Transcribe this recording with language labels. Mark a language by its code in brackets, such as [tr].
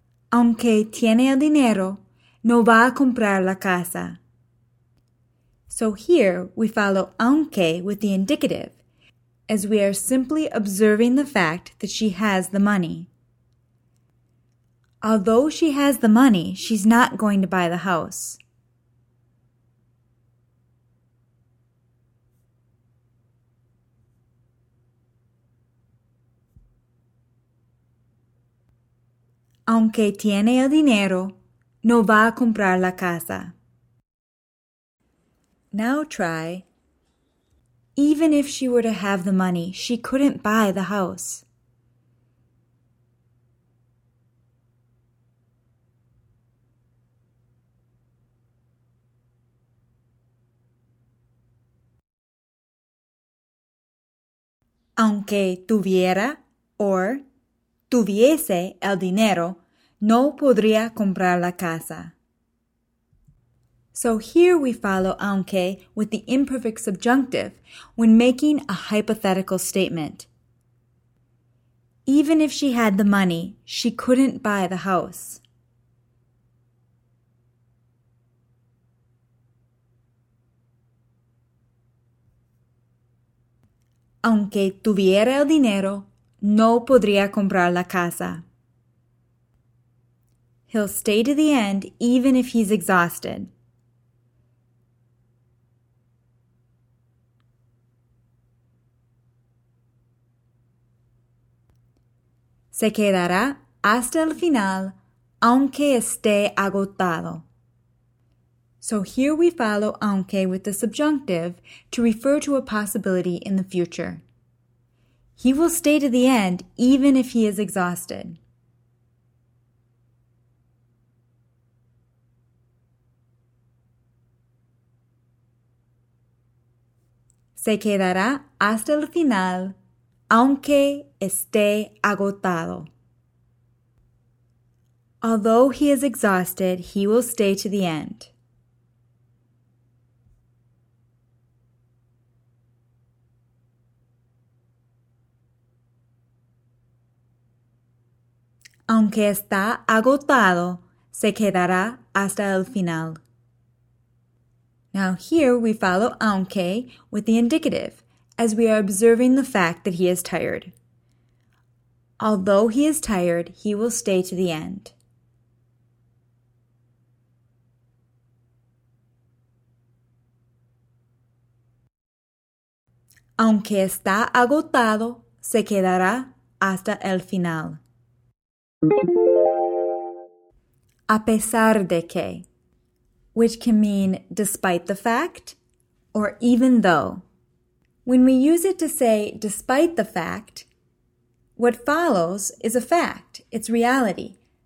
[es] Aunque tiene el dinero, no va a comprar la casa. [en] So here we follow aunque with the indicative, as we are simply observing the fact that she has the money. Although she has the money, she's not going to buy the house. [es] Aunque tiene el dinero, no va a comprar la casa. [en] Now try, even if she were to have the money, she couldn't buy the house. [es] Aunque tuviera or tuviese el dinero, no podría comprar la casa. [en] So here we follow aunque with the imperfect subjunctive when making a hypothetical statement. Even if she had the money, she couldn't buy the house. [es] Aunque tuviera el dinero, no podría comprar la casa. [en] He'll stay to the end even if he's exhausted. [es] Se quedará hasta el final, aunque esté agotado. [en] So here we follow aunque with the subjunctive to refer to a possibility in the future. He will stay to the end, even if he is exhausted. [es] se quedará hasta el final, aunque esté agotado. [en] Although he is exhausted, he will stay to the end. [es] Aunque está agotado, se quedará hasta el final. [en] Now here we follow aunque with the indicative, as we are observing the fact that he is tired. Although he is tired, he will stay to the end. [es] Aunque está agotado, se quedará hasta el final. [en] A pesar de que, which can mean despite the fact or even though. When we use it to say despite the fact, what follows is a fact, it's reality.